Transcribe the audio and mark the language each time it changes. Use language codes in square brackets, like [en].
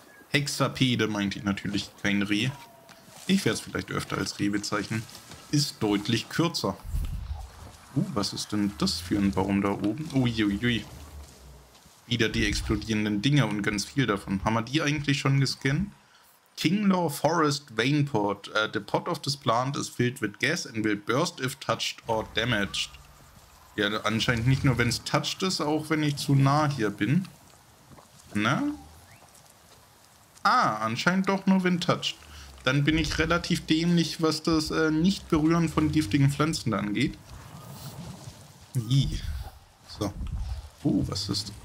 [de] Hexapede meinte ich natürlich, kein Reh. Ich werde es vielleicht öfter als Reh bezeichnen. Ist deutlich kürzer. Was ist denn das für ein Baum da oben? Uiuiui. Wieder die explodierenden Dinger und ganz viel davon. Haben wir die eigentlich schon gescannt? Kinglaw Forest Vainport. [en] The pot of this plant is filled with gas and will burst if touched or damaged. [de] Ja, anscheinend nicht nur, wenn es touched ist, auch wenn ich zu nah hier bin. Na? Ah, anscheinend doch nur, wenn touched. Dann bin ich relativ dämlich, was das Nicht-Berühren von giftigen Pflanzen angeht. Ii. So. Was ist das?